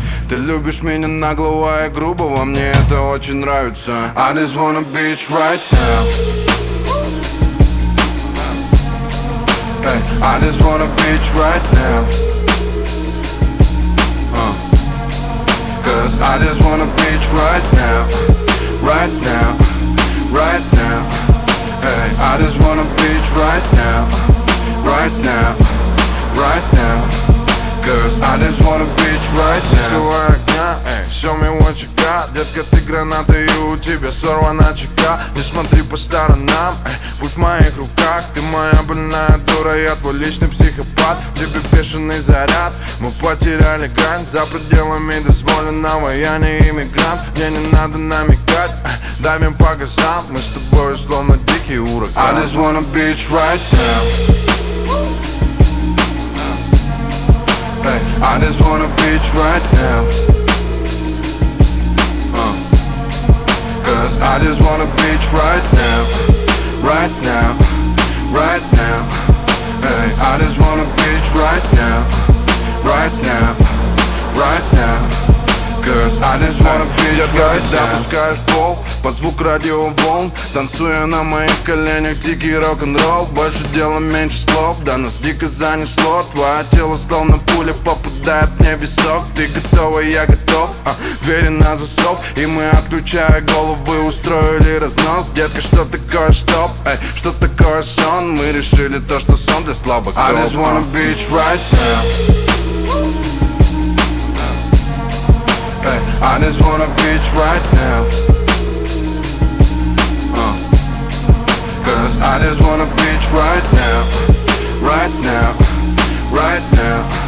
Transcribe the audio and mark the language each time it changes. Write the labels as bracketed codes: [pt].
[ru] Ты любишь меня наглого и грубого, мне это очень нравится. [en] I just wanna bitch right now. I just wanna bitch right now. Cause I just wanna bitch right now. Right now, right now. Hey, I just wanna bitch right now. Right now, right now. Cause I just wanna bitch right now. Show me what you got. [ru] Детка, ты граната и у тебя сорвана чека. Не смотри по сторонам, будь в моих руках. Ты моя больная дура, я твой личный психопат. Тебе бешеный заряд, мы потеряли грань. За пределами дозволенного, я не иммигрант. Мне не надо намекать, дай мне по газам. Мы с тобой словно дикий ураган. [en] I just wanna bitch right now. Hey, I just wanna bitch right now. Cause I just wanna bitch right now. Right now, right now. Hey, I just wanna bitch right now. Right now, right now. Cause I just wanna bitch right now. [ru] Запускаешь пол под звук радиоволн, танцуя на моих коленях дикий рок-н-ролл. Больше дела, меньше слов, да нас дико занесло. Твое тело словно пуля попадает мне в висок. Ты готова, я готов, двери на засов. И мы, отключая головы, устроили разнос. Детка, что такое стоп, что такое сон? Мы решили то, что сон для слабых. [en] I just wanna bitch right now. Hey, I just wanna bitch right now. Cause I just wanna bitch right now. Right now, right now.